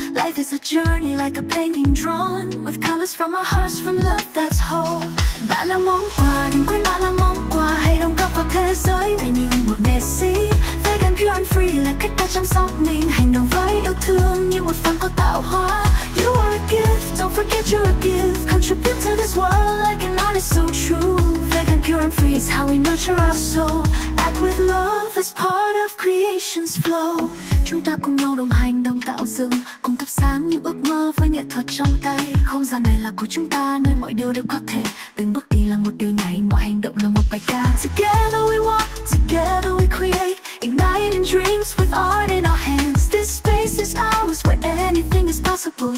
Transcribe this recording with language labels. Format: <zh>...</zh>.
<en>Life is a journey like a painting drawn with colors from our hearts, from love that's whole.</en> <vi>Bạn là món quà, đừng quên bạn là món quà, hãy đóng góp vào thế giới vì những một nghệ sĩ.</vi> <en>Vegan pure and free</en> <vi>là cách ta chăm sóc mình, hành động với yêu thương như một phần có tạo hóa.</vi> <en>You are a gift, don't forget you're a gift, contribute to this world like an artist, so true. Vegan pure and free is how we nurture our soul, act with love as part of creation's flow.</en> <vi>Chúng ta cùng nhau đồng hành, đồng tạo dựng, cùng thắp sáng những ước mơ với nghệ thuật trong tay. Không gian này là của chúng ta, nơi mọi điều đều có thể. Từng bước đi là một điều nhảy, mọi hành động là một bài ca.</vi> <en>Together we walk, together we create, igniting dreams with art in our hands. This space is ours, where anything is possible.</en>